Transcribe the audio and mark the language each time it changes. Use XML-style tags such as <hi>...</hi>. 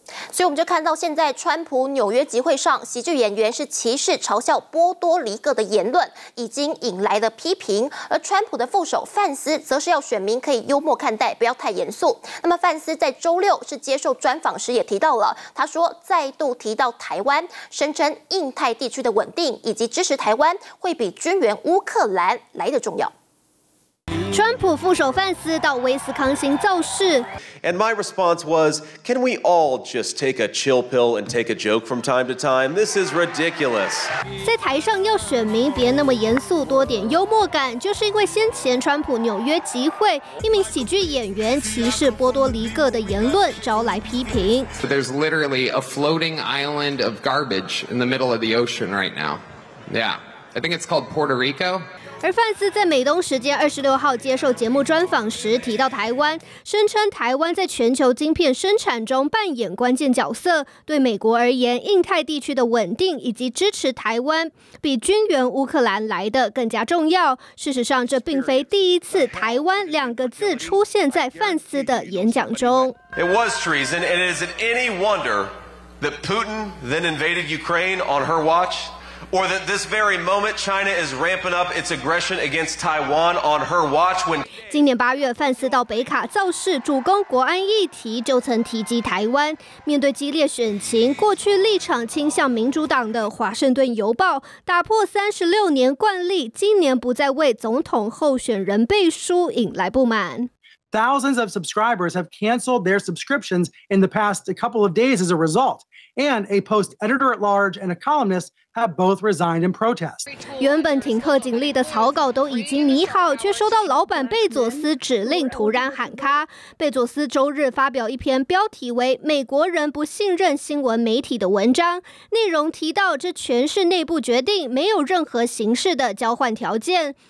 <zh>所以我们就看到现在川普纽约集会上喜剧演员是歧视嘲笑波多黎各的言论已经引来了批评，而川普的副手范斯则是要选民可以幽默看待，不要太严肃。那么范斯在周六是接受专访时也提到了，他说再度提到台湾，声称印太地区的稳定以及支持台湾会比军援乌克兰来得重要。川普副手范斯到威斯康星造势。</zh> <en>And my response was, can we all just take a chill pill and take a joke from time to time? This is ridiculous.</en> <zh>在台上要选民别那么严肃，多点幽默感，就是因为先前川普纽约集会，一名喜剧演员歧视波多黎各的言论招来批评。</zh> <en>But there's literally a floating island of garbage in the middle of the ocean right now. Yeah, I think it's called Puerto Rico.</en> <zh>而范斯在美东时间26号接受节目专访时提到台湾，声称台湾在全球晶片生产中扮演关键角色，对美国而言，印太地区的稳定以及支持台湾比军援乌克兰来得更加重要。事实上，这并非第一次台湾两个字出现在范斯的演讲中。</zh> <en>It was treason, and is it any wonder that Putin then invaded Ukraine on her watch? Or that this very moment China is ramping up its aggression against Taiwan on her watch when</en> <zh>今年8月范斯到北卡造势主攻国安议题，就曾提及台湾。面对激烈选情，过去立场倾向民主党的《华盛顿邮报》打破36年惯例，今年不再为总统候选人背书引来不满。</zh> <en>Thousands of subscribers have canceled their subscriptions in the past couple of days as a result. And a post editor at large and a columnist have both resigned in protest.</en> <zh>原本挺贺锦丽的草稿都已经拟好，却收到老板贝佐斯指令突然喊卡。贝佐斯周日发表一篇标题为《美国人不信任新闻媒体》的文章，内容提到这全是内部决定，没有任何形式的交换条件。</zh>